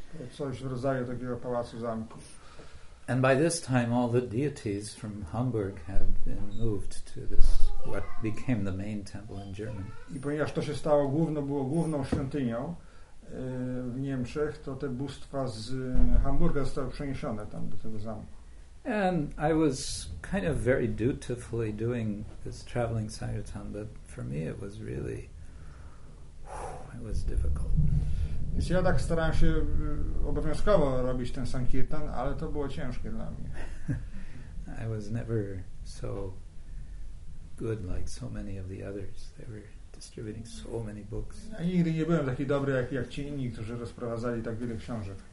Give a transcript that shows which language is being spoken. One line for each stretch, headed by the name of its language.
Polish: Coś w rodzaju takiego pałacu zamku.
English: And by this time all the deities from Hamburg had been moved to this what became the main temple in Germany.
Polish: I ponieważ to się stało główno, było główną świątynią w Niemczech, to te bóstwa z Hamburga zostały przeniesione tam do tego zamku.
English: And I was kind of very dutifully doing this traveling Sankirtan, but for me it was really, it was difficult.
Polish: Więc ja tak starałem się obowiązkowo robić ten Sankirtan, ale to było ciężkie dla mnie.
English: I was never so good like so many of the others. They were distributing so many books.
Polish: Ja nigdy nie byłem taki dobry jak ci inni, którzy rozprowadzali tak wiele książek.